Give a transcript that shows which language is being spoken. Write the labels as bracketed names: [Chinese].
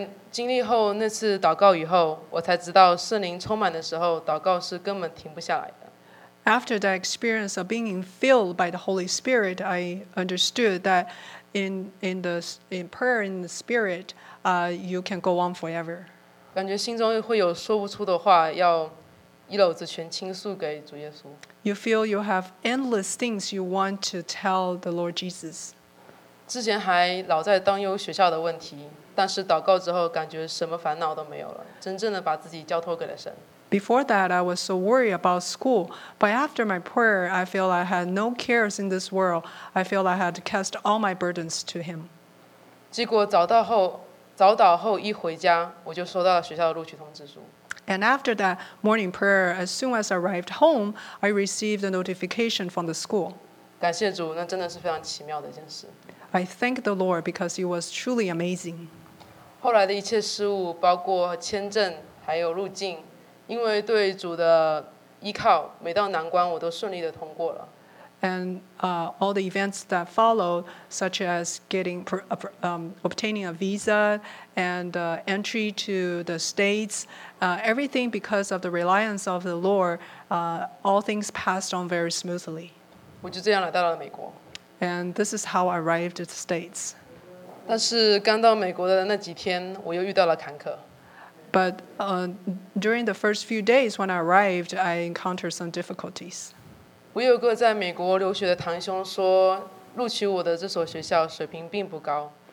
[Chinese] 经历后那次祷告以后，我才知道圣灵充满的时候，祷告是根本停不下来的。 [English] After that experience of being filled by the Holy Spirit, I understood that in prayer in the Spirit, you can go on forever. [Chinese] 感觉心中会有说不出的话要。 [English] You feel you have endless things you want to tell the Lord Jesus. [Chinese] 之前还老在担忧学校的问题，但是祷告之后感觉什么烦恼都没有了，真正的把自己交托给了神。 [English] Before that, I was so worried about school. But after my prayer, I feel I had no cares in this world. I feel I had cast all my burdens to Him. [Chinese] 结果早祷后一回家，我就收到了学校的录取通知书。 [English] And after that morning prayer, as soon as I arrived home, I received a notification from the school. [Chinese] 感谢主，那真的是非常奇妙的一件事。 [English] I thank the Lord because it was truly amazing. [Chinese] 后来的一切事物，包括签证还有入境，因为对主的依靠，每到难关我都顺利的通过了。 [English] And all the events that followed, such as getting, obtaining a visa and entry to the States, everything because of the reliance of the Lord, all things passed on very smoothly. [Chinese] 我就这样来到了美国。 [English] And this is how I arrived at the States. [Chinese] 但是刚到美国的那几天，我又遇到了坎坷。 [English] But during the first few days when I arrived, I encountered some difficulties. [Chinese] 我有个在美国留学的堂兄说，录取我的这所学校水平并不高。